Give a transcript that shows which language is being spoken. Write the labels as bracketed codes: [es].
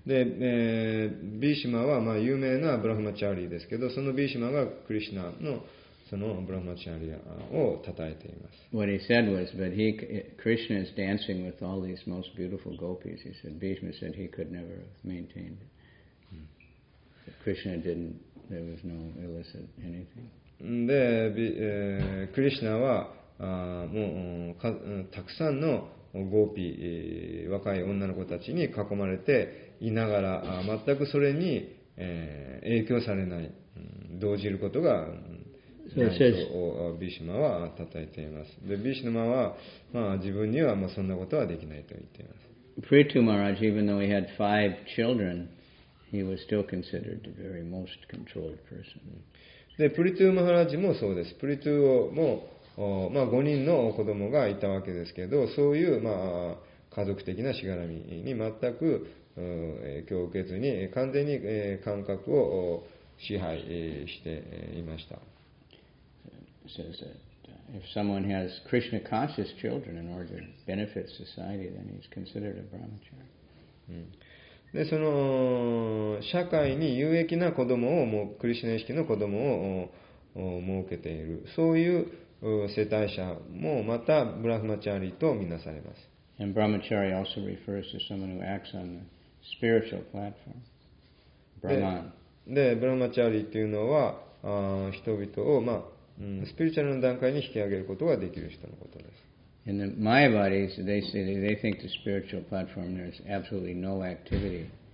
[ja] で、Bhishma はまあ有名なブラハマチャリですけど、その Bhishma がクリシナのそのブラハマチャリを称えています。 [en] What he said was, but he, Krishna is dancing with all these most beautiful gopis. He said, Bhishma said he could never have maintained it. Krishna didn't, there was no illicit anything. [ja] で、クリシナはもうたくさんのゴーピー、若い女の子たちに囲まれていながら、全くそれに影響されない、動じることがないとビシュマは称えています。で、ビシュマは、まあ、自分にはもうそんなことはできないと言っています。 [en] プリトゥマラジ、even though he had five children, he was still considered the very most controlled person. [ja] で、プリトゥマラジもそうです。プリトゥオも、まあ、5人の子供がいたわけですけど、そういう、まあ、家族的なしがらみに全く影響を受けずに完全に感覚を支配していました。 [en] It says that if someone has Krishna conscious children in order to benefit society, then he's considered a brahmachari. [ja] で、その社会に有益な子供を、もうクリシナ意識の子供を設けている、そういう世帯者もまたブラフマチャリとみなされます。 [en] And brahmachari also refers to someone who acts on the spiritual platform. Brahman. [ja] で、ブラフマチャリというのは人々を、まあ、スピリチュアルの段階に引き上げることができる人のことです。 [en] In the Mayavadis, they say they think the spiritual platform there is absolutely no activity.